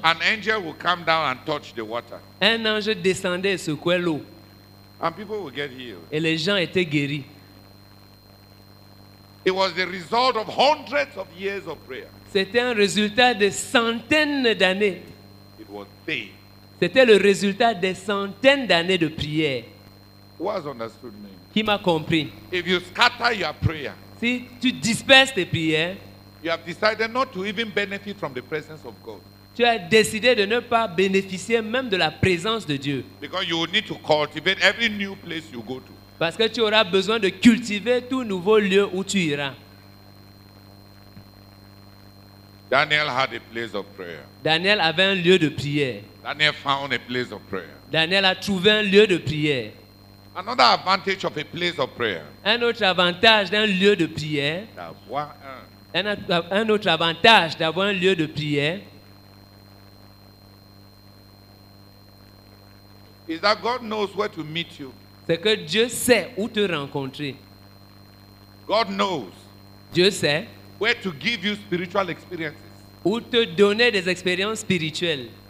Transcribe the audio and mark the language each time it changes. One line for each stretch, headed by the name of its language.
English: an angel would come down and touch the water.
French: Un ange descendait et secouait l'eau.
English: And people would get healed.
French: Et les gens étaient guéris.
English: It was the result of hundreds of years of prayer.
French: C'était un résultat de centaines d'années.
English: It was faith.
French: C'était le résultat des centaines d'années de prière.
English: Who has understood me?
French: Qui m'a compris?
English: If you scatter your prayer,
French: si tu disperses tes prières,
English: you have decided not to even benefit from the presence of God.
French: Tu as décidé de ne pas bénéficier même de la présence de Dieu.
English: Because you need to cultivate every new place you go to.
French: Parce que tu auras besoin de cultiver tout nouveau lieu où tu iras.
English: Daniel had a place of prayer.
French: Daniel avait un lieu de prière.
English: Daniel found a place of prayer.
French: Daniel a trouvé un lieu de prière.
English: Another advantage of a place of prayer.
French: Un autre avantage d'un lieu de prière. D'avoir un. Un autre avantage d'avoir un lieu de prière.
English: Is that God knows where to meet you.
French: C'est que Dieu sait où te rencontrer.
English: God knows.
French: Dieu sait.
English: Where to give you spiritual experiences.
French: Où te donner des expériences spirituelles.